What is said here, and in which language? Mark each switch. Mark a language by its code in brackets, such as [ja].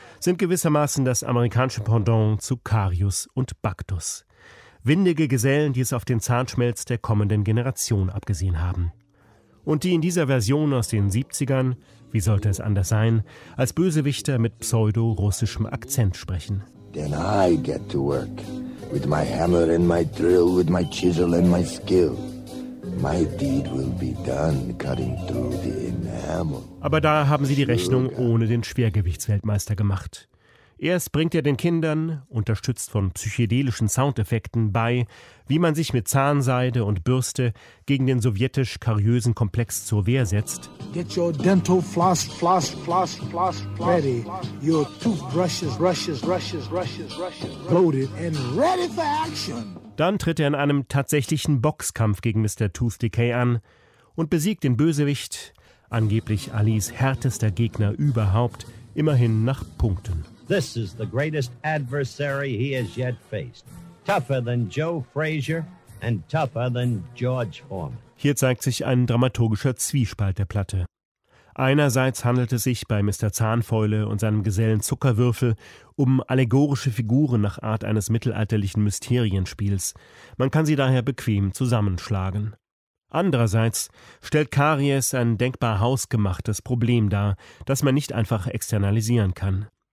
[de] sind gewissermaßen das amerikanische Pendant zu Karius und Baktus. Windige Gesellen, die es auf den Zahnschmelz der kommenden Generation abgesehen haben. Und die in dieser Version aus den 70ern, wie sollte es anders sein, als Bösewichter mit pseudo-russischem Akzent sprechen. [en] Then I get to work. With my hammer and my drill, with my chisel and my skill. My deed will be done, cutting through the enamel. [de] Aber da haben sie die Rechnung ohne den Schwergewichtsweltmeister gemacht. Erst bringt er den Kindern, unterstützt von psychedelischen Soundeffekten, bei, wie man sich mit Zahnseide und Bürste gegen den sowjetisch-kariösen Komplex zur Wehr setzt. [en] Get your dental floss, floss, floss, floss, floss. Ready. Your toothbrushes, rushes, rushes, rushes, rushes. Loaded and ready for action. [de] Dann tritt er in einem tatsächlichen Boxkampf gegen Mr. Tooth Decay an und besiegt den Bösewicht, angeblich Alis härtester Gegner überhaupt, immerhin nach Punkten. [en] This is the greatest adversary he has yet faced. Tougher than Joe Frazier and tougher than George Foreman. [de] Hier zeigt sich ein dramaturgischer Zwiespalt der Platte. Einerseits handelt es sich bei Mr. Zahnfäule und seinem Gesellen Zuckerwürfel um allegorische Figuren nach Art eines mittelalterlichen Mysterienspiels. Man kann sie daher bequem zusammenschlagen. Andererseits stellt Karies ein denkbar hausgemachtes Problem dar, das man nicht einfach externalisieren kann.